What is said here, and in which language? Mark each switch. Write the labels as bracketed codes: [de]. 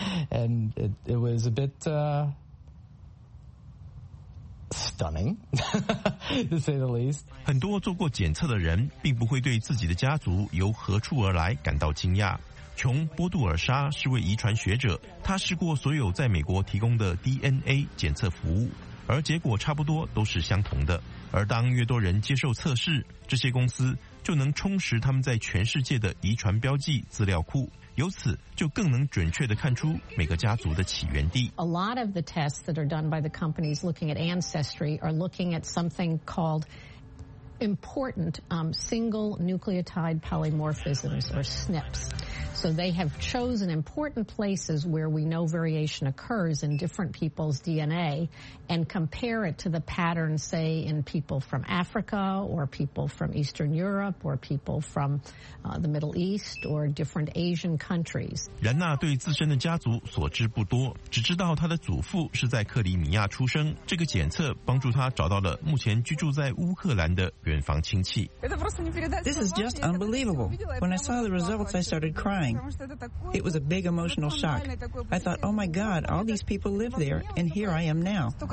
[en] And it was a bit stunning, to say the least. [zh] 很多做过检测的人并不会对自己的家族由何处而来感到惊讶。琼·波杜尔莎是位遗传学者，他试过所有在美国提供的 DNA 检测服务，而结果差不多都是相同的。而当越多人接受测试，这些公司就能充实他们在全世界的遗传标记资料库，由此就更能准确地看出每个家族的起源地。 [en] A lot of the tests that are done by the companies looking at ancestry are looking at something called important single nucleotide polymorphisms or SNPs. So they have chosen important places where we know variation occurs in different people's DNA and compare it to the pattern, say, in people from Africa or people from Eastern Europe or people from the Middle East or different Asian countries. [zh] 然娜对自身的家族所知不多，只知道她的祖父是在克里米亚出生。这个检测帮助她找到了目前居住在乌克兰的远房亲戚。 [en] This is just unbelievable. When I saw the results, I started crying. It was a big emotional shock. I thought, oh my God, all these people live there, and here I am now.